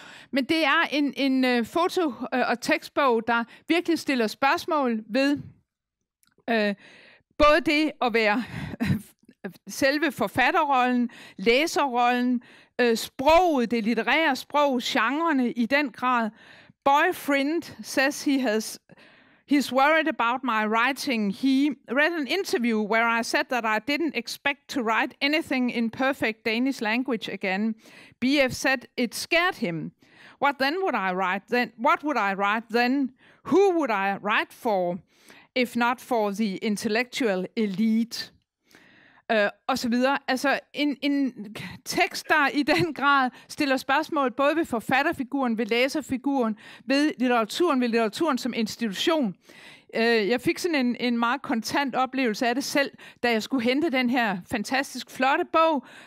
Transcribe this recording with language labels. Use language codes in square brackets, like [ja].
[da] Men det er en foto- og tekstbog, der virkelig stiller spørgsmål ved både det at være selve forfatterrollen, læserrollen, sproget, det litterære sprog, genrerne i den grad. [en] Boyfriend says he's worried about my writing. He read an interview where I said that I didn't expect to write anything in perfect Danish language again. BF said it scared him. What then would I write then? What would I write then? Who would I write for, if not for the intellectual elite? [da] Og så videre. Altså en tekst, der i den grad stiller spørgsmål både ved forfatterfiguren, ved læserfiguren, ved litteraturen, som institution. Jeg fik sådan en meget kontant oplevelse af det selv, da jeg skulle hente den her fantastisk flotte bog.